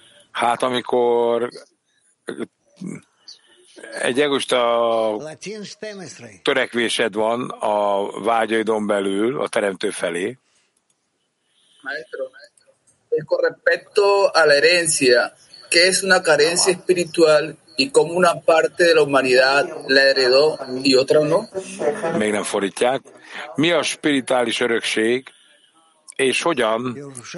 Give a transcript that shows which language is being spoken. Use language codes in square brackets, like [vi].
[hu] Hát amikor egy egoista törekvésed van a vágyaidon belül, a teremtő felé. [es] Con respecto a la herencia, que es una carencia espiritual y como una parte de la humanidad la heredó y otra no? [hu] Még nem fordítják. Mi a spirituális örökség, és hogyan?